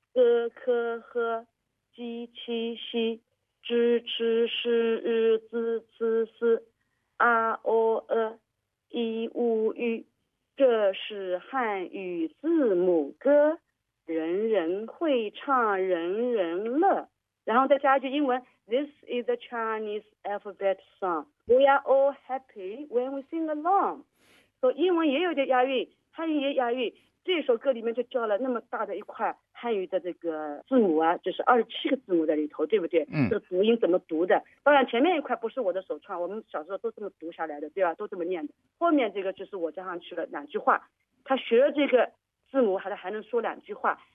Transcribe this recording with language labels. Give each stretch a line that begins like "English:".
Chinese: 呃科呵基七西支持是日子次次啊哦呃一五语，这是汉语字母歌，人人会唱，人人乐。然后再加一句英文
English: ：This is the Chinese alphabet song. We are all happy when we sing along.
Chinese: 所以英文也有点押韵，汉语也押韵。这首歌里面就叫了那么大的一块汉语的这个字母啊，就是27个字母在里头，对不对？嗯。这个读音怎么读的？当然前面一块不是我的首创，我们小时候都这么读下来的，对吧？都这么念的。后面这个就是我加上去了两句话，他学了这个字母，还能说两句话。